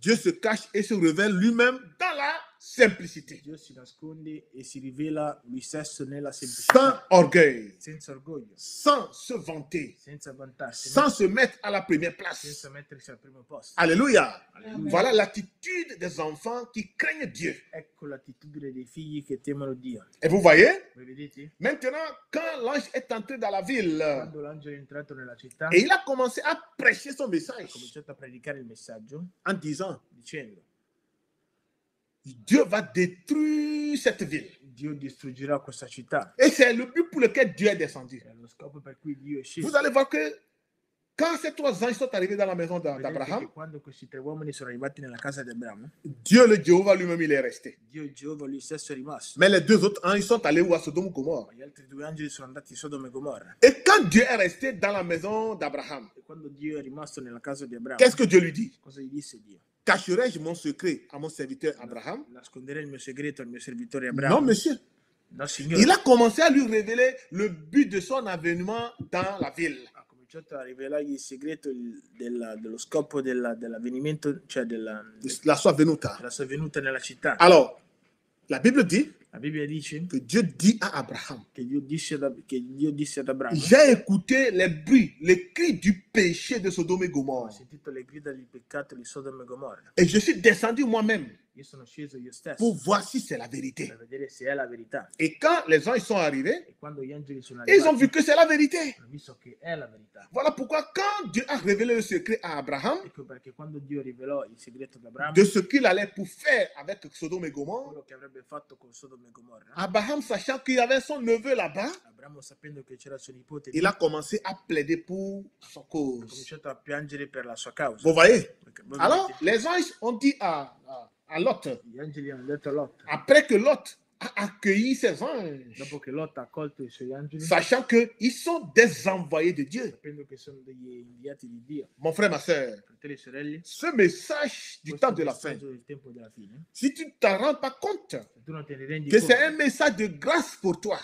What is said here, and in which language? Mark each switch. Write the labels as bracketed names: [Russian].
[French] Dieu se cache et se révèle lui-même dans la simplicité. [Italian] Dio si nasconde e si rivela lui stesso nella semplicità. [French] Sans orgueil, [Italian] senza orgoglio, [French] sans se vanter, [Italian] senza vantarsi, [French] sans se mettre à la première place, [Italian] senza mettersi al primo posto. [French] Alléluia. Voilà l'attitude des enfants qui craignent Dieu. [Italian] Ecco l'attitudine dei figli che temono Dio. [French] Et vous voyez? [Italian] Vous vedete? [French] Maintenant, quand l'ange est entré dans la ville, [Italian] quando l'ange è entrato nella città, [French] et il a commencé à prêcher son message, [Italian] ha cominciato a predicare il messaggio, [French] en disant, [Italian] dicendo, [French] Dieu va détruire cette ville. [Italian] Dio distruggerà questa città. [French] Et c'est le but pour lequel Dieu est descendu. [Italian] È lo scopo per cui Dio è sceso. [French] Vous allez voir que quand ces trois anges sont arrivés dans la maison d'Abraham, [Italian] quando questi tre uomini sono arrivati nella casa di Abramo, [French] Dio le Geova lui-même il est resté. [Italian] Dio Geova lui stesso è rimasto. [French] Mais les deux autres anges sont allés où? À Sodome et Gomorre. [Italian] Gli altri due angeli sono andati a Sodoma e Gomorra. [French] Et quand Dieu est resté dans la maison d'Abraham, [Italian] e quando Dio è rimasto nella casa di Abramo, [French] qu'est-ce que Dieu lui dit? [Italian] Cosa gli disse Dio? [French] Cacherai-je mon secret à mon serviteur Abraham? [Italian] Nasconderai il mio segreto al mio servitore Abraham? [French] Non, monsieur. [Italian] Non, signore. [French] Il a commencé à lui révéler le but de son avènement dans la ville. [Italian] Ha cominciato a rivelargli il segreto dello scopo dell'avvenimento, cioè della sua venuta. La sua venuta nella città. [French] Alors, la Bible dit. [Italian] La Bibbia dice che [French] Dio dit à Abraham. [Italian] Che Dio disse ad Abramo. [French] J'ai écouté les bruits, les cris du péché de Sodome et Gomorre. [Italian] Ho sentito le grida del peccato di Sodoma e Gomorra. [French] Et je suis descendu moi-même. [Italian] Io sono sceso io stesso. [French] Pour voir si c'est la vérité. [Italian] Per vedere se è la verità. [French] Et quand les anges sont arrivés, [Italian] e quando gli angeli sono arrivati, [French] ils ont vu que c'est la vérité. [Italian] Hanno visto che è la verità. [French] Voilà pourquoi quand Dieu a révélé le secret à Abraham, [Italian] ecco perché quando Dio rivelò il segreto ad Abramo, [French] de ce qu'il allait pour faire avec Sodome et Gomorre, [Italian] quello che avrebbe fatto con Sodoma e Gomorra, [French] Abraham sachant qu'il avait son neveu là-bas, [Italian] Abramo sapendo che c'era suo nipote, [French] il a commencé à plaider pour son cause. [Italian] Ha cominciato a piangere per la sua causa. [French] Vous voyez? Alors les anges ont dit à Lot. [Italian] Gli angeli hanno detto a Lot. [French] Après que Lot a accueilli ses anges. [Italian] Dopo che Lot ha accolto i suoi angeli. [French] Sachant que ils sont des envoyés de Dieu. [Italian] Sapendo che sono degli inviati di Dio. [French] Mon frère, ma sœur. [Italian] Fratelli e sorelle. [French] Ce message du temps de la fin. [Italian] Del tempo della fine. [French] Si tu ne t'en rends pas compte. [Italian] Tu non te ne rendi [French] que c'est un message de grâce pour toi.